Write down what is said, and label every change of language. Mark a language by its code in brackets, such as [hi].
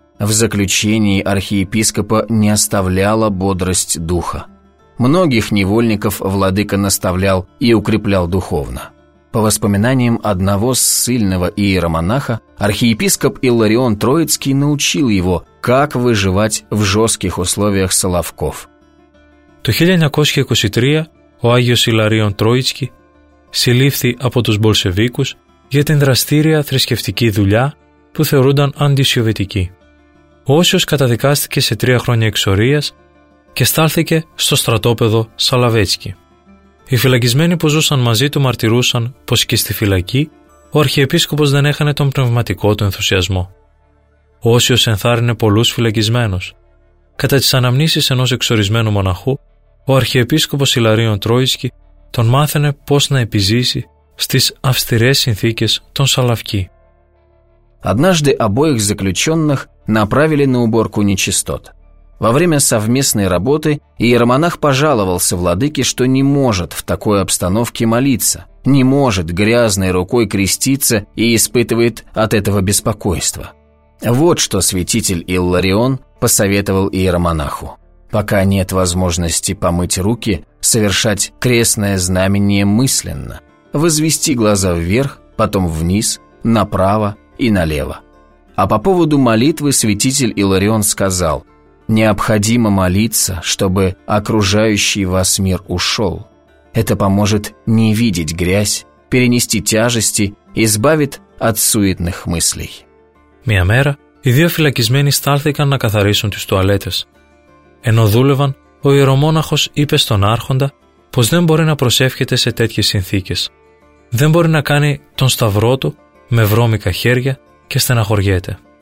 [ru] В заключении архиепископа не оставляла бодрость духа. Многих невольников владыка наставлял и укреплял духовно. По воспоминаниям одного ссыльного иеромонаха, архиепископ Илларион Троицкий научил его, как выживать в жестких условиях соловков. [el] Το 1923 ο Άγιος Ιλαρίων Τρόιτσκι συλλήφθη από τους Μπολσεβίκους για την δραστήρια θρησκευτική δουλειά που θεωρούνταν αντισοβιετική. Ο Όσιος καταδικάστηκε σε 3 χρόνια εξορίας και στάλθηκε στο στρατόπεδο Σαλαβέτσκι. Οι φυλακισμένοι που ζούσαν μαζί του μαρτυρούσαν πως και στη φυλακή ο αρχιεπίσκοπος δεν έχανε τον πνευματικό του ενθουσιασμό. Ο Όσιος ενθάρρυνε πολλούς φυλακισμένους. Κατά τις αναμνήσεις ενός εξορισμένου μοναχού, ο αρχιεπίσκοπος Ιλαρίων Τρόισκι τον μάθαινε πώς να επιζήσει στις αυστηρές συνθήκες των Σαλαυκί. [ru] Однажды обоих заключенных направили на уборку нечистот. Во время совместной работы иеромонах пожаловался владыке, что не может в такой обстановке молиться, не может грязной рукой креститься и испытывает от этого беспокойство. Вот что святитель Илларион посоветовал иеромонаху. Пока нет возможности помыть руки, совершать крестное знамение мысленно, возвести глаза вверх, потом вниз, направо, и налево. А по поводу молитвы святитель Иларион сказал: «Необходимо молиться, чтобы окружающий вас мир ушел. Это поможет не видеть грязь, перенести тяжести, избавит от суетных мыслей». [el] Μια μέρα οι δύο φυλακισμένοι στάλθηκαν να καθαρίσουν τις τουαλέτες. Ενώ δούλευαν, ο ιερομόναχος είπε στον άρχοντα πως δεν μπορεί να προσεύχεται σε τέτοιες συνθήκες. Δεν μπορεί να κάνει τον σταυρό του με βρώμικα χέρια και στεναχωριέται.